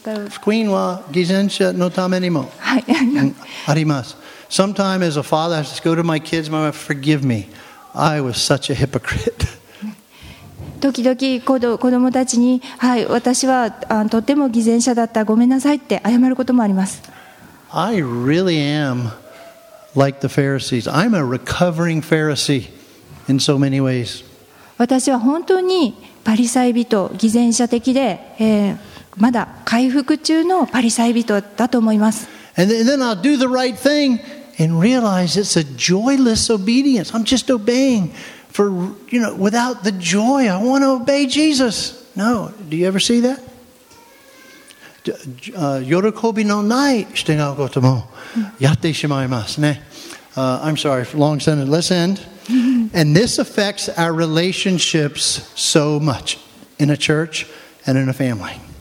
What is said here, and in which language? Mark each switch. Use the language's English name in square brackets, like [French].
[Japanese] 福音は偽善者のためにもあります。 [English] Sometimes as a father, I just go to my kids, my wife, forgive me. I was such a hypocrite. [Japanese] 時々子供たちに、はい、私はとても偽善者だった、ごめんなさいって謝ることもあります。 [English] I really am like the Pharisees. I'm a recovering Pharisee in so many ways. [Japanese] 私は本当にパリサイ人、偽善者的で、まだ回復中のパリサイ人だと思います。 [English] And then I'll do the right thing and realize it's a joyless obedience. I'm just obeying for, you know, without the joy. I want to obey Jesus. No. Do you ever see that? [Japanese] 喜びのない従うこともやってしまいますね。 [English] I'm sorry, long sentence. Let's end. And this affects our relationships so much in a church and in a family.